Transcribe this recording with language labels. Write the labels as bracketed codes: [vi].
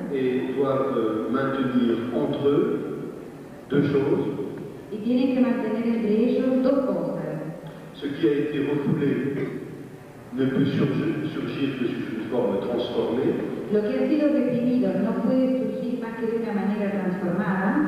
[fr] et doivent maintenir entre eux deux choses [es] y tienen que mantener entre ellos dos cosas [fr] ce qui a été refoulé ne peut surgir que sous une forme transformée. [es] Lo que ha sido reprimido no puede surgir más que de una manera transformada.